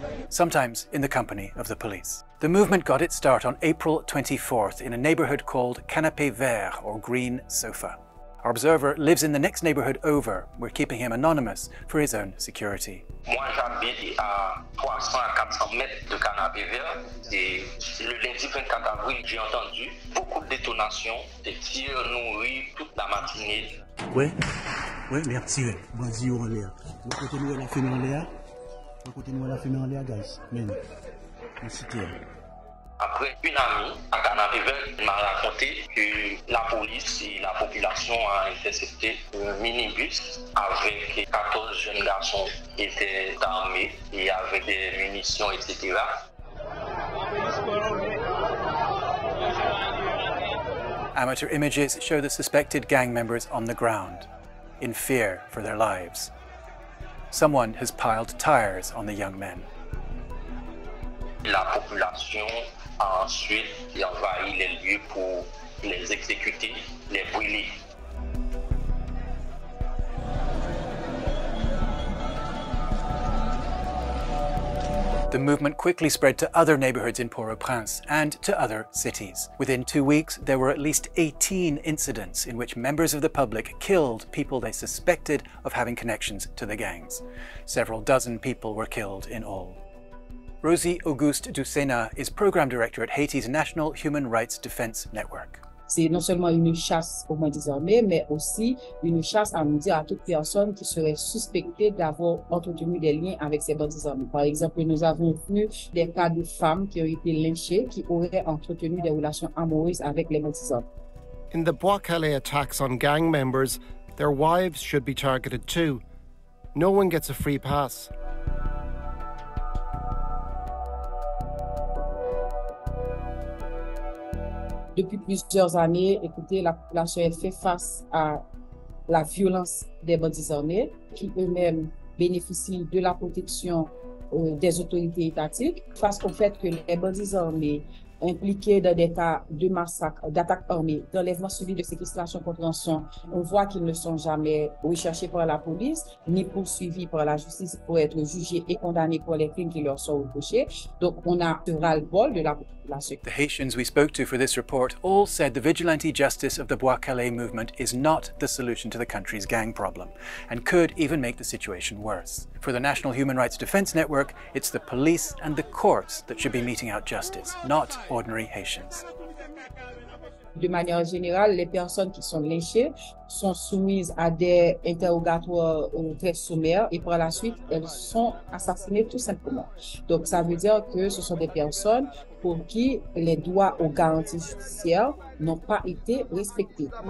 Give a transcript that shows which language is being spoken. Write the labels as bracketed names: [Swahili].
[English] Sometimes in the company of the police. The movement got its start on April 24th in a neighborhood called Canapé Vert, or Green Sofa. Our observer lives in the next neighborhood over. We're keeping him anonymous for his own security. [French] Moi, j'habite à 300 à 400 mètres de Canapé Vert et le lundi 24 avril, j'ai entendu beaucoup de détonations, des tirs nourris toute la matinée. Ouais, ouais, merci. Vas-y, on l'air. On va continuer à la fumée en l'air. On va continuer à la fumée en l'air, guys. Mais, on s'y tient. Après, une amie à Canapé Vert m'a raconté que la police et la population a intercepté un minibus avec 14 jeunes garçons qui étaient armés et avec des munitions, etc. [English] Amateur images show the suspected gang members on the ground, in fear for their lives. Someone has piled tires on the young men. [French] La population a ensuite envahi les lieux pour les exécuter, les brûler. [English] The movement quickly spread to other neighborhoods in Port-au-Prince and to other cities. Within 2 weeks, there were at least 18 incidents in which members of the public killed people they suspected of having connections to the gangs. Several dozen people were killed in all. Rosie Auguste Ducena is program director at Haiti's National Human Rights Defense Network. [French] C'est non seulement une chasse aux mains des armées, mais aussi une chasse à nous dire à toute personne qui serait suspectée d'avoir entretenu des liens avec ces bandits armés. Par exemple, nous avons vu des cas de femmes qui ont été lynchées, qui auraient entretenu des relations amoureuses avec les bandits armés. [English] In the Bwa Kale attacks on gang members, their wives should be targeted too. No one gets a free pass. [French] Depuis plusieurs années, écoutez, la population est fait face à la violence des bandits armés qui eux-mêmes bénéficient de la protection des autorités étatiques. Face au fait que les bandits armés impliqués dans des cas de massacre, d'attaque armée, d'enlèvement suivi de séquestration contre rançon, on voit qu'ils ne sont jamais recherchés par la police ni poursuivis par la justice pour être jugés et condamnés pour les crimes qui leur sont reprochés. Donc on a un ras-le-bol de la population. [English] The Haitians we spoke to for this report all said the vigilante justice of the Bwa Kale movement is not the solution to the country's gang problem and could even make the situation worse. For the National Human Rights Defense Network, it's the police and the courts that should be meting out justice, not ordinary Haitians. [French] De manière générale, les personnes qui sont lynchées sont soumises à des interrogatoires très sommaires et par la suite, elles sont assassinées tout simplement. Donc ça veut dire que ce sont des personnes pour qui les droits aux garanties judiciaires n'ont pas été respectés.